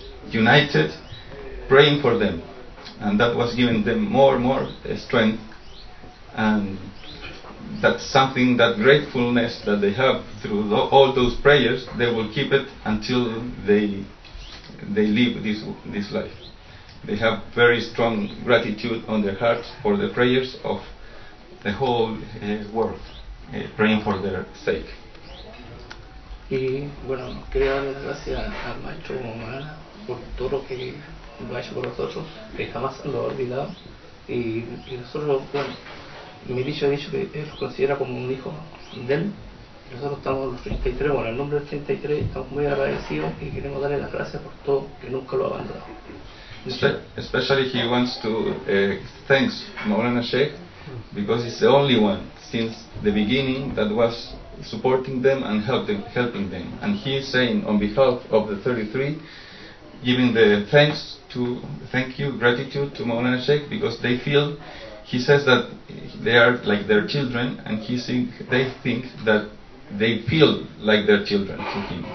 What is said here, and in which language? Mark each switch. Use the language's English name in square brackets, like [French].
[English] united praying for them, and that was giving them more strength, and that's something, that gratefulness that they have through all those prayers, they will keep it until they leave this life. They have very strong gratitude on their hearts for the prayers of the whole world, praying for their sake. [Spanish] Y bueno, quería dar las gracias al maestro Omar por todo lo que lo ha hecho por nosotros, que jamás lo ha olvidado. Y nosotros, bueno, mi dicho ha dicho que él lo considera como un hijo de él. Nosotros estamos los 33, bueno, en nombre del 33, estamos muy agradecidos y queremos darle las gracias por todo, que nunca lo ha abandonado. [English] Especially he wants to thank Maulana Sheikh because he's the only one since the beginning that was supporting them and helping them. And he's saying on behalf of the 33, giving the thanks to, thank you, gratitude to Maulana Sheikh because they feel, he says that they are like their children and they think that they feel like their children to him.